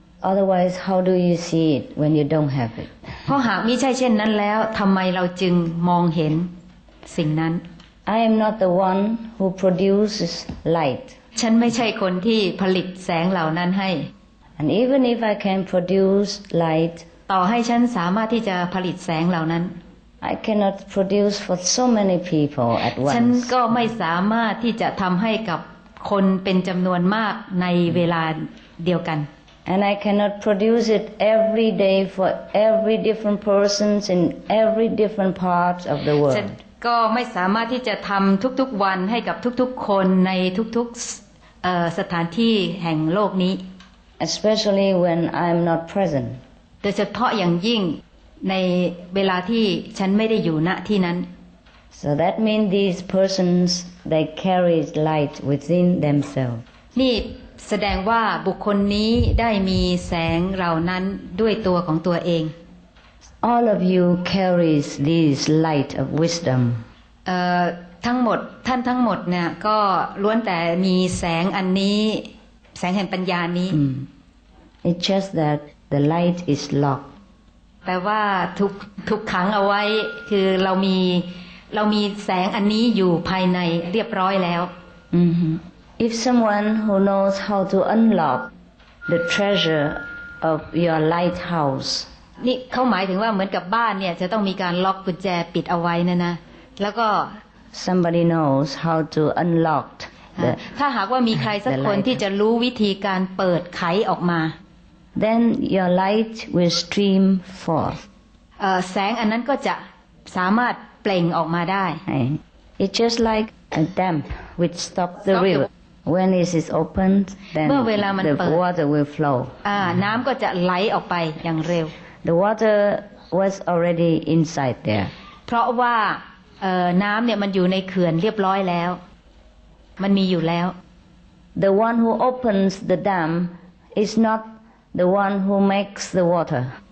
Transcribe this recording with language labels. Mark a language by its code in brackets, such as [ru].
[en] Otherwise, how do you see it when you don't have it? [th] เพราะหากไม่ใช่เช่นนั้นแล้วทำไมเราจึงมองเห็นสิ่งนั้น [en] I am not the one who produces light. [th] ฉันไม่ใช่คนที่ผลิตแสงเหล่านั้นให้ [en] And even if I can produce light. [th] ต่อให้ฉันสามารถที่จะผลิตแสงเหล่านั้น [en] I cannot produce for so many people at once [th] ฉันก็ไม่สามารถที่จะทำให้กับคนเป็นจำนวนมากในเวลาเดียวกัน [en] And I cannot produce it every day for every different persons in every different parts of the world [th] ฉันก็ไม่สามารถที่จะทำทุกๆวันให้กับทุกๆคนในทุกๆสถานที่แห่งโลกนี้ [en] Especially when I'm not present [th] โดยเฉพาะอย่างยิ่งในเวลาที่ฉันไม่ได้อยู่ณที่นั้น [en] So that means these persons they carry light within themselves [th] นี่แสดงว่าบุคคลนี้ได้มีแสงเหล่านั้นด้วยตัวของตัวเอง [en] All of you carry this light of wisdom [th] ทั้งหมดท่านทั้งหมดเนี่ยก็ล้วนแต่มีแสงอันนี้แสงแห่งปัญญานี้ [en] It's just thatThe light is locked. [th] แปลว่าถูกขังเอาไว้คือเรามีแสงอันนี้อยู่ภายในเรียบร้อยแล้ว [en] If someone who knows how to unlock the treasure of your lighthouse [th] นี่เขาหมายถึงว่าเหมือนกับบ้านเนี่ยจะต้องมีการล็อกกุญแจปิดเอาไว้นะแล้วก็ [en] Somebody knows how to unlock the [th] ถ้าหากว่ามีใครสักคนที่จะรู้วิธีการเปิดไขออกมา [en] Then your light will stream forth. [th] แสงอันนั้นก็จะสามารถเปล่งออกมาได้ [en] It's just like a dam which stops the river. When it is opened, then the water will flow. [th] น้ำก็จะไหลออกไปอย่างเร็ว [en] The water was already inside there. [th] เพราะว่าน้ำเนี่ยมันอยู่ในเขื่อนเรียบร้อยแล้วมันมีอยู่แล้ว [en] The one who opens the dam is notThe one who makes the water.